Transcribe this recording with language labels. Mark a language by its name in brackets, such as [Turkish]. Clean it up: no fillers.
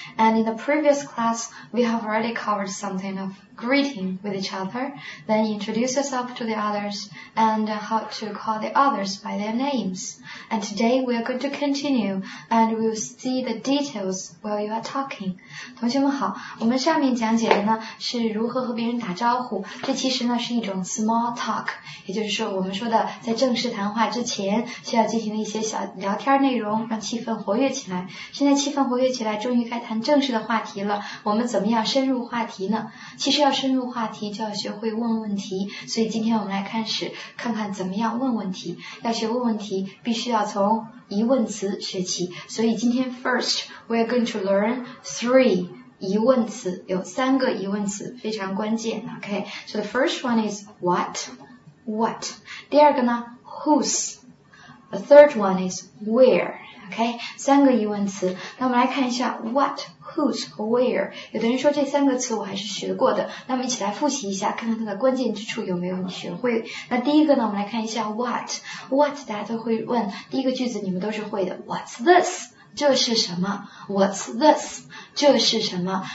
[English] And in the previous class, we have already covered something of greeting with each other, then introduce yourself to the others, and how to call the others by their names. And today, we are going to continue, and we'll see the details while you are talking. [Chinese] 同学们好，我们下面讲解的呢，是如何和别人打招呼。这其实呢，是一种 small talk, 也就是说我们说的在正式谈话之前需要进行的一些小聊天内容，让气氛活跃起来。现在气氛活跃起来，终于该谈正式的话题了。我们怎么样深入话题呢？其实要深入话题，就要学会问问题。所以今天我们来开始，看看怎么样问问题。要学问问题，必须要从疑问词学起。所以今天 [English] first, we're going to learn three. [Chinese] 疑问词，有三个疑问词非常关键。 [English] OK, so the first one is what, [Chinese] 第二个呢 [English] whose, the third one is where. [Chinese] OK, 三个疑问词，那我们来看一下 what, whose 和 where。有的人说这三个词我还是学过的，那我们一起来复习一下，看看它的关键之处有没有你学会。那第一个呢，我们来看一下 what, 大家都会问第一个句子，你们都是会的。 [English] What's this? [Chinese] 这是什么 [English] ?What's this? 这是什么？